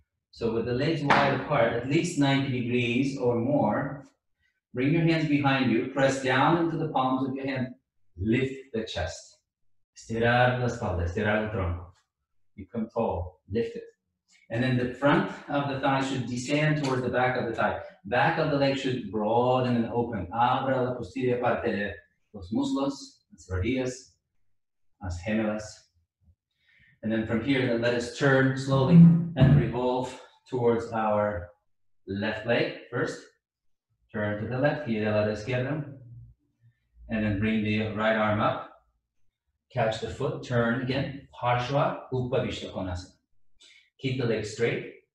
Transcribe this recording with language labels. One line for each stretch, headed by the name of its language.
English: So with the legs wide apart, at least 90 degrees or more, bring your hands behind you, press down into the palms of your hand, lift the chest.
Spanish: Estirar la espalda, estirar el tronco.
English: Become tall, lift it. And then the front of the thigh should descend towards the back of the thigh. Back of the leg should broaden and open.
Spanish: Abra la posterior parte de los muslos, las rodillas, las gemelas.
English: And then from here, let us turn slowly and revolve towards our left leg first. Turn to the left,
Spanish: gira la izquierda.
English: And then bring the right arm up. Catch the foot, turn again. Parshva upavishtakonasana. Keep the leg straight.